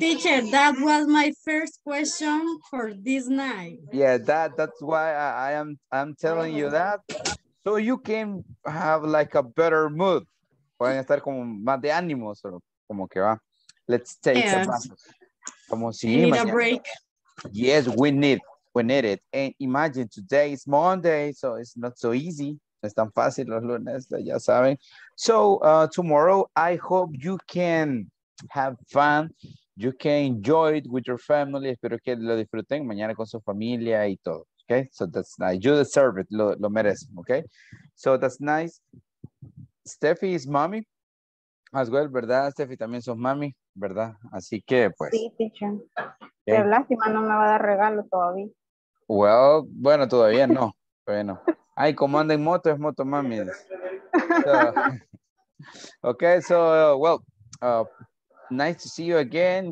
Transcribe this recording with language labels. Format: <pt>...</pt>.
<en>Teacher, that was my first question for this night. Yeah, that's why I'm telling you that. So you can have like a better mood.</en> <es>Pueden estar como más de ánimos, como que va.</es> <en>Let's take some rest.</en> <es>Como si</es> <en>need</en> <es>mañana.</es> <en>A break. Yes, we need it. And imagine today is Monday, so it's not so easy.</en> <es>Es tan fácil los lunes, ya saben.</es> <en>So tomorrow, I hope you can have fun. You can enjoy it with your family.</en> <es>Espero que lo disfruten mañana con su familia y todo.</es> <en>Okay, so that's nice. You deserve it.</en> <es>Lo merecen.</es> <en>Okay, so that's nice. Steffi is mommy as well,</en> <es>¿verdad? Steffi también sos mami, ¿verdad? Así que pues. Sí, teacher. Okay. Pero lástima, no me va a dar regalo todavía.</es> <en>Well,</en> <es>bueno, todavía no. Bueno. Ay, como anda en moto, es moto mami.</es> <en>So, okay, so, well, nice to see you again.</en>